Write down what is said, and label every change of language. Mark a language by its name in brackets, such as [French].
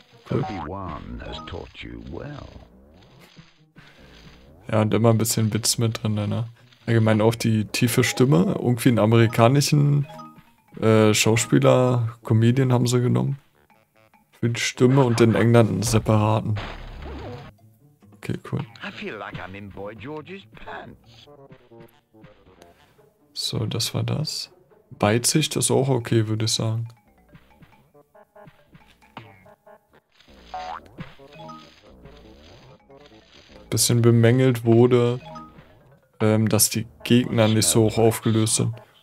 [English] Obi-Wan has taught you well. [German] Ja, und immer ein bisschen Witz mit drin, ne? Allgemein auch die tiefe Stimme. Irgendwie einen amerikanischen Schauspieler, Comedian haben sie genommen. Für die Stimme und in England einen separaten. Okay, cool. [English] I feel like I'm in Boy George's pants. [German] So, das war das. Beizig, das ist auch okay, würde ich sagen. Bisschen bemängelt wurde, dass die Gegner nicht so hoch aufgelöst sind.